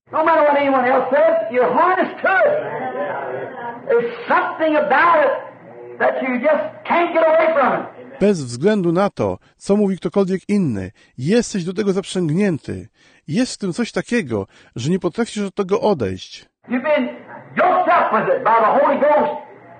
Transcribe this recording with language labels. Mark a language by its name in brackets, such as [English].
[English] No matter what anyone else says, you're harnessed to it. There's something about it that you just can't get away from it. [Polish] Bez względu na to, co mówi ktokolwiek inny, jesteś do tego zaprzęgnięty. Jest w tym coś takiego, że nie potrafisz od tego odejść. [English] You've been yoked up with it by the Holy Ghost.